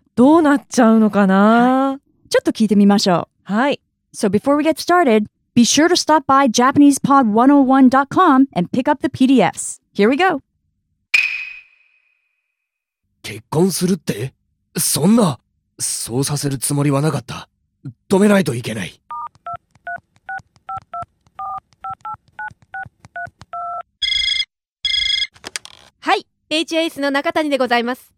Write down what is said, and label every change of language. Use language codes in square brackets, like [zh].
[ja] どうなっちゃうのかな、はい、ちょっと聞いてみましょう。はい。 [en] So before we get started, be sure to stop by JapanesePod101.com and pick up the PDFs. Here we go. [ja] 結婚するって? そんな、そうさせるつもりはなかった。止めないといけない。 HIS の中谷でございます。